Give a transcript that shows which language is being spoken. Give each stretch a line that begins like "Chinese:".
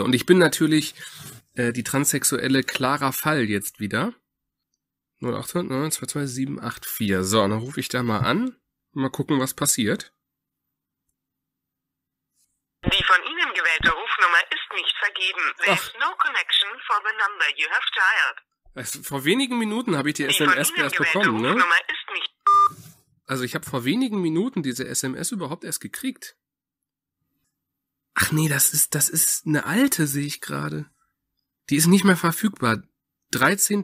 German: Und ich bin natürlich die transsexuelle Clara Fall jetzt wieder. 08092724. So, dann rufe ich da mal an. Mal gucken, was passiert. Die von Ihnen gewählte Rufnummer ist nicht vergeben.
English: There is no connection for the number you have dialed.
German: Also, vor wenigen Minuten habe ich die SMS erst bekommen, ne? Ist nicht. Also ich habe vor wenigen Minuten diese SMS überhaupt erst gekriegt. Ach nee, das ist eine alte, sehe ich gerade. Die ist nicht mehr verfügbar. 13.